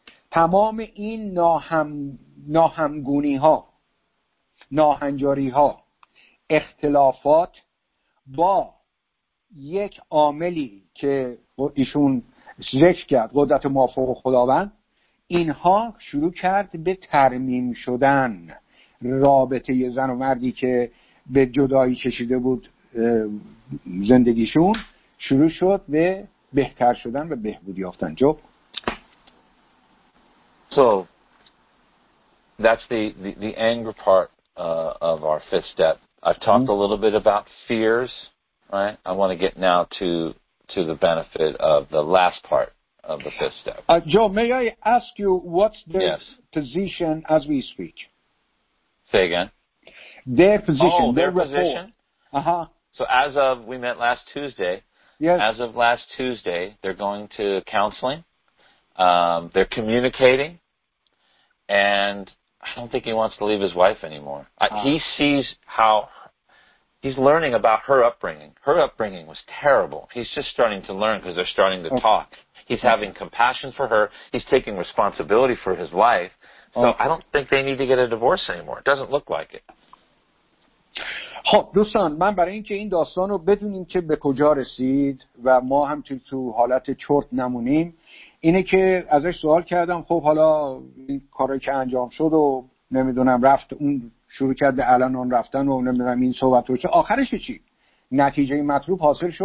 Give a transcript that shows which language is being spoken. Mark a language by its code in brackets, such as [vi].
[fa] تمام این ناهمگونی ها، ناهنجاری ها، اختلافات با یک عاملی که ایشون ذکر کرد، قدرت موافق خداوند، اینها شروع کرد به ترمیم شدن. رابطه زن و مردی که به جدایی کشیده بود زندگیشون شروع شد به بهتر شدن و بهبود یافتن. جو؟ [en] So that's the anger part of our fifth step. I've talked a little bit about fears, right? I want to get now to the benefit of the last part of the fifth step. Joe, may I ask you what's their position as we speak? Say again. Their position. Oh, their position. Uh huh. So as of we met last Tuesday. Yes. As of last Tuesday, they're going to counseling. They're communicating. And I don't think he wants to leave his wife anymore. He sees how he's learning about her upbringing. Her upbringing was terrible. He's just starting to learn because they're starting to talk. He's having compassion for her. He's taking responsibility for his life. So I don't think they need to get a divorce anymore. It doesn't look like it. [fa] خب دوستان، من برای اینکه این داستان رو بدونیم که به کجا رسید و ما هم تو حالت چرت نمونیم، اینه که ازش سوال کردم خب حالا این کارایی که انجام شد و نمیدونم رفت اون شروع کرد به الان اون رفتن و نمیدونم این صحبت رو چه آخرش چی نتیجه مطلوب حاصل شد.